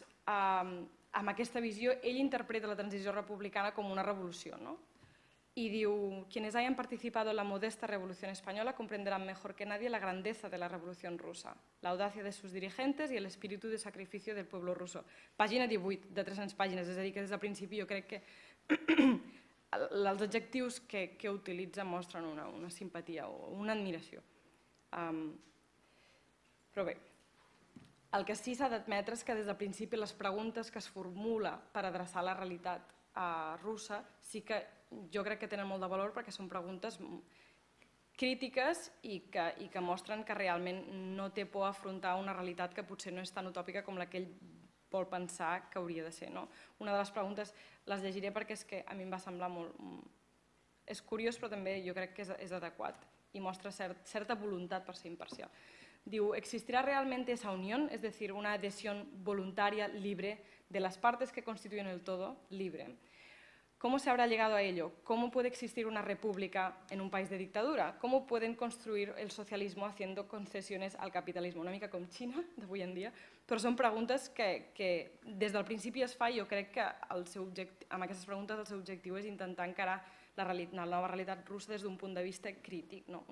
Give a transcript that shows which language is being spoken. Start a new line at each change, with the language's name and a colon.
Catalan: Amb aquesta visió, ell interpreta la transició republicana com una revolució, no?
Spanish: Y
Catalan: diu,
Spanish: quienes hayan participado en la modesta revolución española comprenderán mejor que nadie la grandeza de la revolución rusa, la audacia de sus dirigentes y el espíritu de sacrificio del pueblo ruso.
Catalan: Pàgina 18, de 300 pàgines, és a dir, que des del principi jo crec que els adjectius que utilitza mostren una simpatia o una admiració. Però bé, el que sí s'ha d'admetre és que des del principi les preguntes que es formula per adreçar la realitat russa sí que jo crec que tenen molt de valor perquè són preguntes crítiques i que mostren que realment no té por a afrontar una realitat que potser no és tan utòpica com la que ell vol pensar que hauria de ser. No? Una de les preguntes les llegiré perquè és que a mi em va semblar molt... És curiós, però també jo crec que és adequat i mostra certa voluntat per ser imparcial. Diu,
Spanish: ¿existirá realmente esa unión, es decir, una adhesión voluntaria libre de las partes que constituyen el todo libre? ¿Cómo se habrá llegado a ello? ¿Cómo puede existir una república en un país de dictadura? ¿Cómo pueden construir el socialismo haciendo concesiones al capitalismo?
Catalan: Una mica com Xina, d'avui en dia, però són preguntes que des del principi es fa i jo crec que amb aquestes preguntes el seu objectiu és intentar encarar la nova realitat russa des d'un punt de vista crític, no?